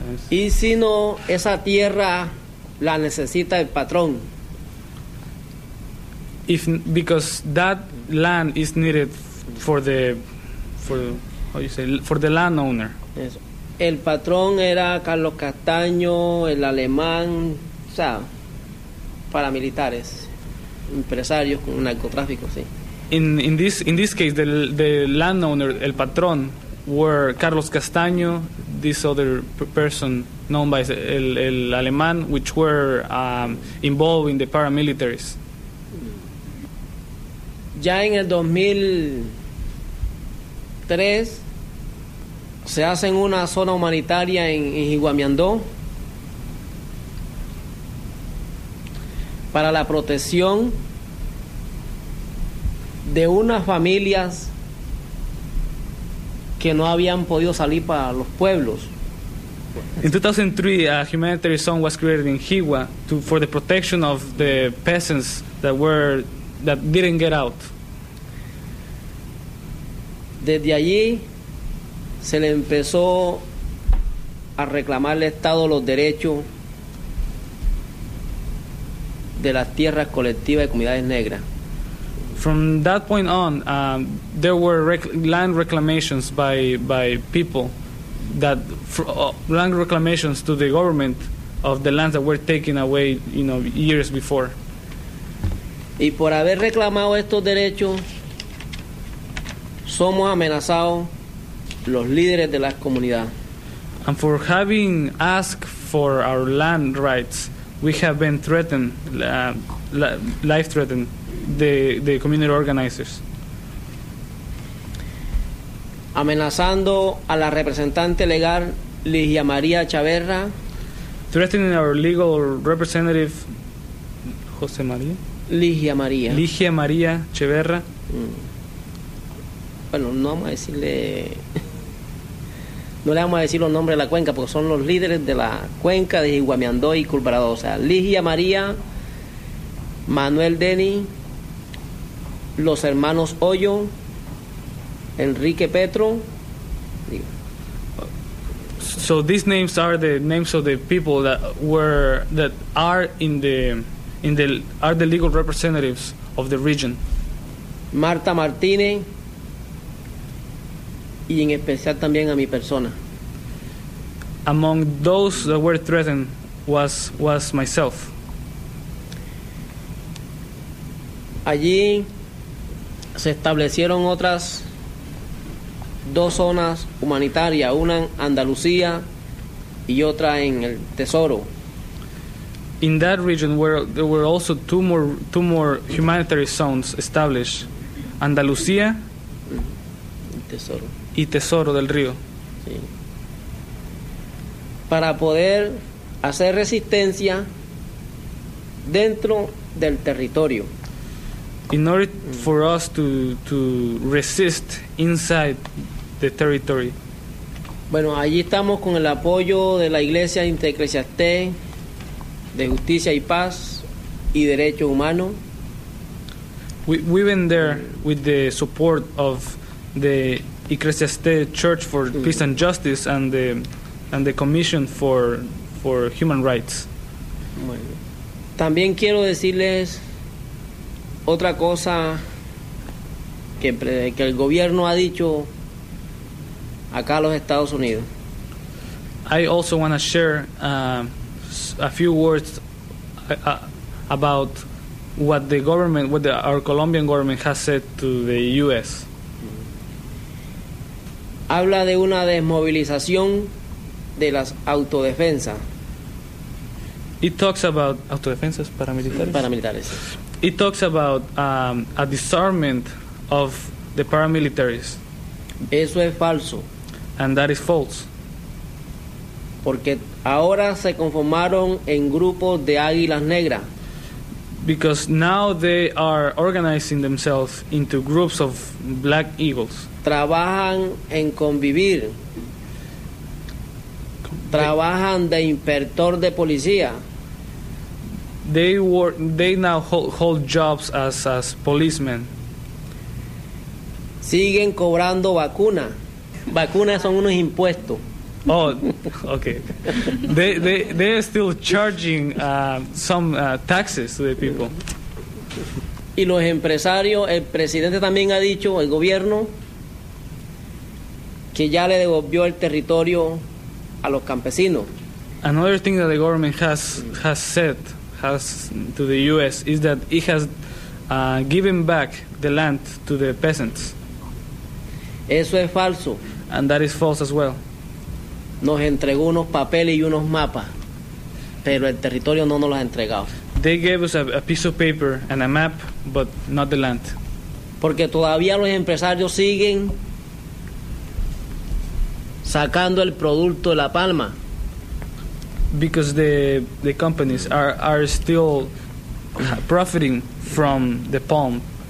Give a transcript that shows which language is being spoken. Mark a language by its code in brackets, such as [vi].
[es] Y si no, esa tierra la necesita el patrón. [en] Because that land is needed for the landowner. [es] Eso. El patrón era Carlos Castaño, el alemán, o sea, paramilitares, empresarios con narcotráfico, sí. [en] In this case, the landowner, el patrón, were Carlos Castaño, this other person known by el alemán, which were involved in the paramilitaries. [es] Ya en el 2003 se hacen una zona humanitaria en Iguamiandó para la protección de unas familias que no habían podido salir para los pueblos. [en] In 2003, a humanitarian zone was created in Hiwa for the protection of the peasants that didn't get out. [es] Desde allí se le empezó a reclamar al Estado los derechos de las tierras colectivas de comunidades negras. [en] From that point on, there were land reclamations by people, land reclamations to the government of the lands that were taken away, you know, years before. [es] Y por haber reclamado estos derechos, somos amenazados los líderes de la comunidad. [en] And for having asked for our land rights, we have been threatened, life threatened. The community organizers. [es] Amenazando a la representante legal Ligia María Chaverra. [en] Threatening our legal representative José María. [es] Ligia María. Ligia María Chaverra. Bueno, no vamos a decirle. No le vamos a decir los nombres de la cuenca porque son los líderes de la cuenca de Iguamiandó y Culbarado. O sea, Ligia María, Manuel Denny, los hermanos Hoyo, Enrique Petro. [en] So these names are the names of the people are the legal representatives of the region. [es] Marta Martínez y en especial también a mi persona. [en] Among those that were threatened was myself. [es] Allí se establecieron otras dos zonas humanitarias, una en Andalucía y otra en el Tesoro. [en] In that region where there were also two more humanitarian zones established, Andalucía y Tesoro del Río. [es] Sí. Para poder hacer resistencia dentro del territorio. [en] In order for us to resist inside the territory. [es] Bueno, allí estamos con el apoyo de la Iglesia Inter-Eclesiaste de Justicia y Paz y Derecho Humano. [en] We've been there with the support of the Ecclesiaste Church for Peace and Justice and the Commission for for human rights. [es] También quiero decirles otra cosa que el gobierno ha dicho acá a los Estados Unidos. [en] I also want to share a few words about what the government, what the, our Colombian government has said to the U.S. [es] Habla de una desmovilización de las autodefensas. [en] It talks about autodefenses, paramilitares. [es] Paramilitares. [en] It talks about a disarmament of the paramilitaries. [es] Eso es falso. [en] And that is false. [es] Porque ahora se conformaron en grupos de águilas negras. [en] Because now they are organizing themselves into groups of black eagles. [es] Trabajan en convivir. Trabajan de inspector de policía. [en] They now hold jobs as policemen. [es] Siguen cobrando vacunas. Vacunas son unos impuestos. [en] Oh, okay. They are still charging some taxes to the people. [es] Y los empresarios, el presidente también ha dicho, el gobierno, que ya le devolvió el territorio a los campesinos. [en] Another thing that the government has said has to the U.S. is that it has given back the land to the peasants. [es] Eso es falso. [en] And that is false as well. [es] Nos entregó unos papeles y unos mapas, pero el territorio no nos los ha entregado. [en] They gave us a piece of paper and a map, but not the land. [es] Porque todavía los empresarios siguen sacando el producto de la palma. [en] Because the companies are still profiting from the palm.